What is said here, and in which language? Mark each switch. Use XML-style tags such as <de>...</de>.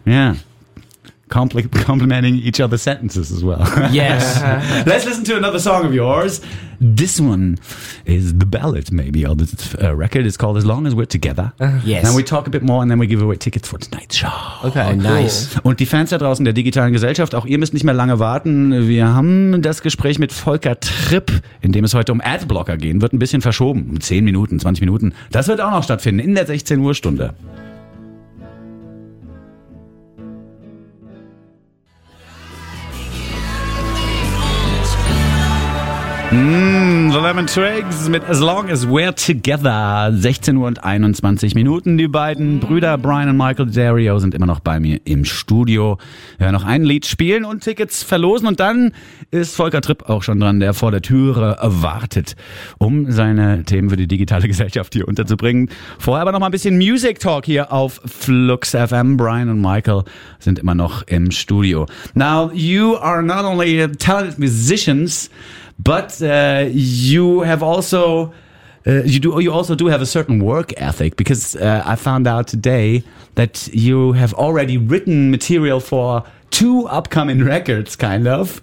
<en>Yeah. Complimenting each other's sentences as well. Yes. Let's listen to another song of yours. This one is the ballad, maybe, or the record is called As Long As We're Together. Yes. And we talk a bit more and then we give away tickets for tonight's show. Okay, oh, nice. Cool.</en> <de>Und die Fans da draußen der digitalen Gesellschaft, auch ihr müsst nicht mehr lange warten. Wir haben das Gespräch mit Volker Tripp, in dem es heute um Adblocker gehen wird, ein bisschen verschoben. 10 Minuten, 20 Minuten. Das wird auch noch stattfinden in der 16 Uhr Stunde. The Lemon Twigs mit As Long As We're Together, 16 Uhr und 21 Minuten. Die beiden Brüder Brian und Michael Dario sind immer noch bei mir im Studio. Wir werden noch ein Lied spielen und Tickets verlosen. Und dann ist Volker Tripp auch schon dran, der vor der Türe wartet, um seine Themen für die digitale Gesellschaft hier unterzubringen. Vorher aber noch mal ein bisschen Music Talk hier auf Flux FM. Brian und Michael sind immer noch im Studio.</de> <en>Now, you are not only talented musicians, but you also do have a certain work ethic, because I found out today that you have already written material for two upcoming records, kind of.</en>